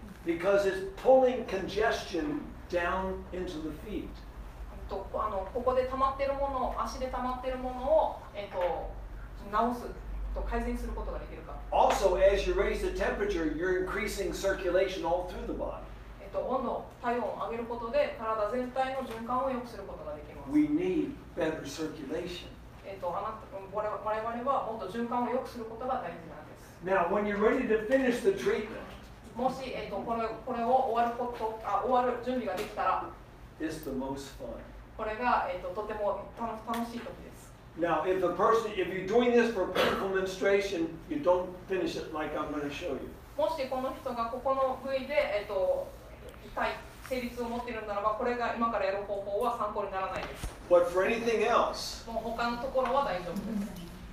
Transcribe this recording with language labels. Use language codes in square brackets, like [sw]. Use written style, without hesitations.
[en] Because it's pulling congestion down into the feet. [ja] ここで溜まっているもの、足で溜まっているものを、直すと改善することができるか。 [en] Also, as you raise the temperature, you're increasing circulation all through the body. [ja] 温度、体温を上げることで、体全体の循環を良くすることができます。 [en] We need better circulation. [ja] われはもっと循環を良くすることが大事なんです。 [en] Now, when you're ready to finish the treatment, [ja] もし、これを終わる準備ができたら、 [en] It's the most fun. [ja] これが、とても楽しい時です。 [en] Now, if a person, if you're doing this for painful menstruation, you don't finish it like I'm going to show you. [ja] もしこの人がここの部位で、痛い生理痛を持っているならば、これが今からやる方法は参考にならないです。 [en] But for anything else, [ja] もう他のところは大丈夫です。